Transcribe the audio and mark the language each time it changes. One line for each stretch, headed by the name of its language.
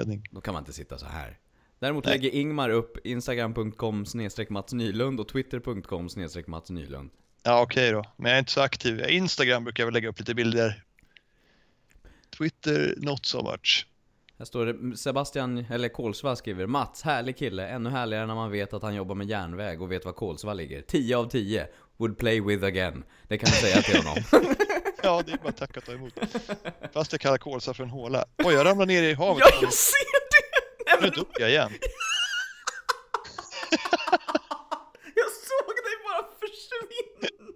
Swedish: Då kan man inte sitta så här. Däremot lägger Ingmar upp instagram.com/matsnylund och twitter.com/matsnylund. Ja, okej då. Men jag är inte så aktiv. Instagram brukar jag väl lägga upp lite bilder.
English: Twitter, not so much.
Swedish: Här står det, Sebastian, eller Kolsva skriver, Mats, härlig kille, ännu härligare när man vet att han jobbar med järnväg och vet var Kolsva ligger. 10 av 10,
English: would play with again.
Swedish: Det kan jag säga till honom. Ja, det är bara tack att ta emot. Fast jag kallar Kolsva för en håla. Oj, jag ramlar ner i havet. Ja, jag ser det! Nej, men... Nu dog jag igen. Jag såg dig bara försvinna.